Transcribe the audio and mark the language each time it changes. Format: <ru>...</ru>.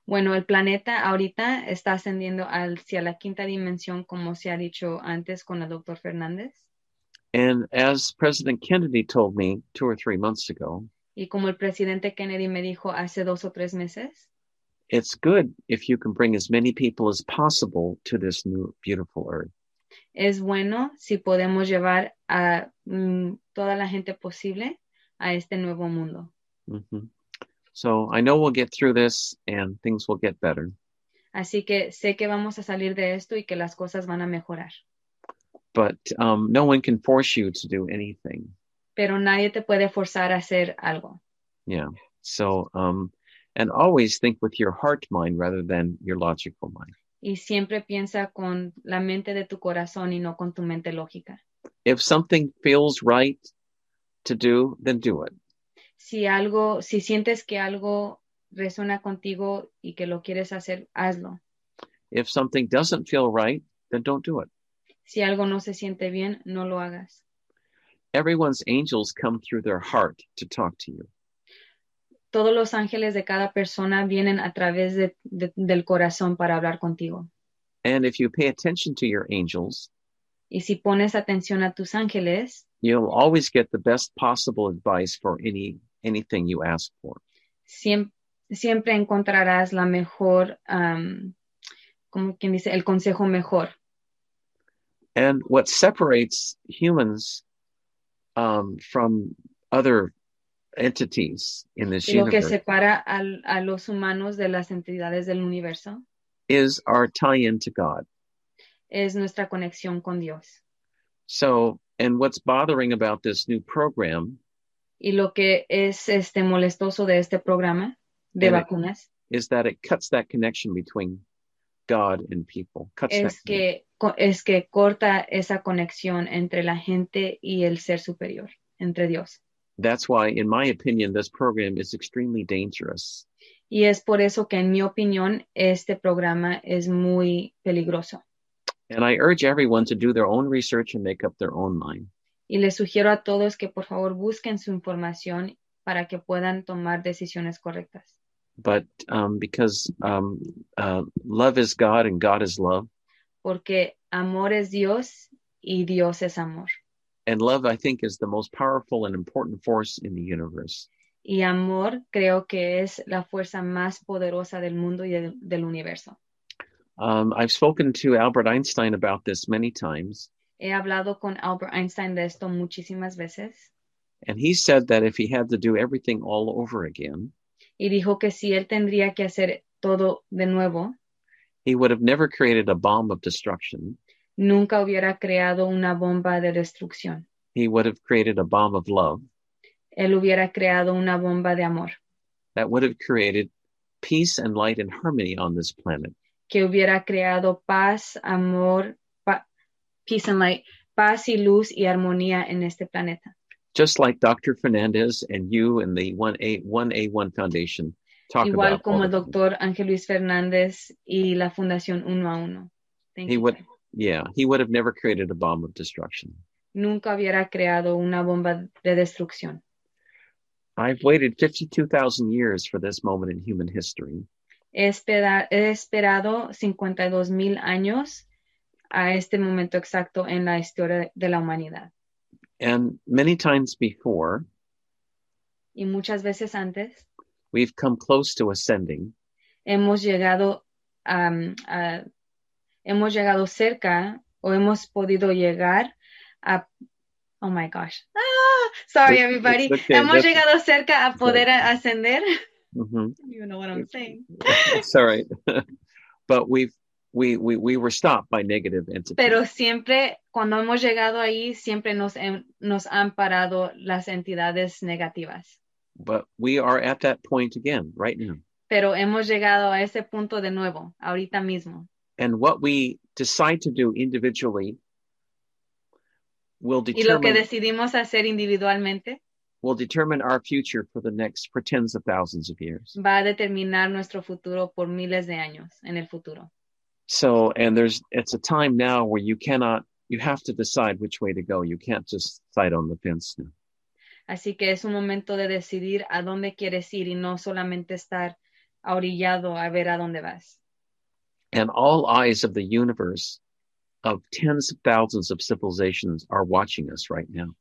<es>Bueno, el planeta ahorita está ascendiendo hacia la quinta dimensión, como se ha dicho antes con el Dr. Fernandez.</es> <en>And as President Kennedy told me 2 or 3 months ago,</en> <es>y como el presidente Kennedy me dijo hace 2 o 3 meses,</es> <en>it's good if you can bring as many people as possible to this new beautiful earth.</en> <es>Es bueno si podemos llevar a toda la gente posible a este nuevo mundo. Mm-hmm.</es> <en>So I know we'll get through this and things will get better.</en> <es>Así que sé que vamos a salir de esto y que las cosas van a mejorar.</es> <en>But no one can force you to do anything.</en> <es>Pero nadie te puede forzar a hacer algo. Yeah.</es> <en>So, and always think with your heart mind rather than your logical mind.</en> <es>Y siempre piensa con la mente de tu corazón y no con tu mente lógica.</es> <en>If something feels right to do, then do it.</en> <es>Si sientes que algo resuena contigo y que lo quieres hacer, hazlo.</es> <en>If something doesn't feel right, then don't do it.</en> <es>Si algo no se siente bien, no lo hagas.</es> <en>Everyone's angels come through their heart to talk to you.</en> <es>Todos los ángeles de cada persona vienen a través del corazón para hablar contigo.</es> <en>And if you pay attention to your angels,</en> <es>y si pones atención a tus ángeles,</es> <en>you'll always get the best possible advice for anything you ask for.</en> <es>Siempre encontrarás la mejor, como quien dice, el consejo mejor.</es> <en>And what separates humans from other entities in this</en> <es>universe, lo que separa a los humanos de las entidades del universo,</es> <en>is our tie-in to God.</en> <es>Es nuestra conexión con Dios.</es> <en>So, and what's bothering about this new program?</en> <es>Y lo que es este molestoso de este programa de vacunas</es> <en>is that it cuts that connection between God and people. Cuts</en> <es>es</es> <en>that</en> <es>que connection. Es que corta esa conexión entre la gente y el ser superior, entre Dios.</es> <en>That's why, in my opinion, this program is extremely dangerous.</en> <es>Y es por eso que, en mi opinión, este programa es muy peligroso.</es> <en>And I urge everyone to do their own research and make up their own mind.</en> <es>Y les sugiero a todos que, por favor, busquen su información para que puedan tomar decisiones correctas.</es> <en>But because love is God and God is love.</en> <es>Porque amor es Dios y Dios es amor.</es> <en>And love, I think, is the most powerful and important force in the universe.</en> <es>Y amor creo que es la fuerza más poderosa del mundo y del universo.</es> <en>I've spoken to Albert Einstein about this many times.</en> <es>He hablado con Albert Einstein de esto muchísimas veces.</es> <en>And he said that if he had to do everything all over again,</en> <es>y dijo que si él tendría que hacer todo de nuevo,</es> <en>he would have never created a bomb of destruction.</en> <es>Nunca hubiera creado una bomba de destrucción.</es> <en>He would have created a bomb of love.</en> <es>Él hubiera creado una bomba de amor.</es> <en>That would have created peace and light and harmony on this planet.</en> <es>Que hubiera creado paz, amor,</es> <en>peace and light,</en> <es>paz y luz y armonía en este planeta.</es> <en>Just like Dr. Fernandez and you and the 1A1 Foundation talk</en> <es>igual</es> <en>about.</en> <es>Igual como el Dr. Ángel Luis Fernández y la Fundación 1A1.</es> <en>He would have never created a bomb of destruction.</en> <es>Nunca hubiera creado una bomba de destrucción.</es> <en>I've waited 52,000 years for this moment in human history.</en> <es>He esperado 52,000 años a este momento exacto en la historia de la humanidad.</es> <en>And many times before,</en> <es>y muchas veces antes,</es> <en>we've come close to ascending.</en> <es>Hemos llegado cerca o hemos podido llegar a...</es> <en>Oh my gosh. Ah, sorry, everybody. Okay.</en> <es>Hemos llegado cerca a poder ascender. Mm-hmm.</es> <en>You know what I'm saying. Sorry. But we were stopped by negative entities.</en> <es>Pero siempre, cuando hemos llegado ahí, siempre nos han parado las entidades negativas.</es> <en>But we are at that point again, right now.</en> <es>Pero hemos llegado a ese punto de nuevo, ahorita mismo.</es> <en>And what we decide to do individually will determine,</en> <es>y lo que decidimos hacer individualmente,</es> <en>will determine our future for the next for tens of thousands of years.</en> <es>Va a determinar nuestro futuro por miles de años en el futuro.</es> <en>So, and it's a time now where you have to decide which way to go. You can't just fight on the fence now.</en> <es>Así que es un momento de decidir a dónde quieres ir y no solamente estar orillado a ver a dónde vas.</es> <en>And all eyes of the universe of tens of thousands of civilizations are watching us right now.</en>